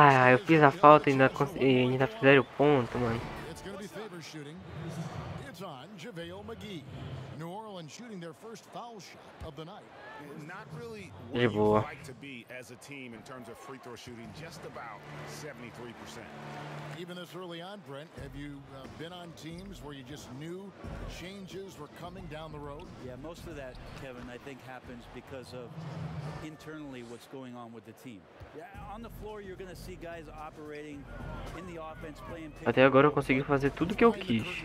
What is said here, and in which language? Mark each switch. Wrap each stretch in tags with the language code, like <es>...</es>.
<pt>Eu fiz a falta e ainda fizeram o ponto, mano.</pt> <en>It's going to be Favors shooting. It's on JaVale McGee. New Orleans shooting their first foul shot of the night. Not really what you would like to be as a team in terms of free throw shooting, just about 73%. Even this early on, Brent, have you been on teams where you just knew changes were coming down the road? Yeah, most of that, Kevin, I think happens because of internally what's going on with the team. Yeah, on the floor, you're going to see guys operating in the offense, playing pick.</en> <pt>Até agora eu consegui fazer tudo que eu quis.</pt>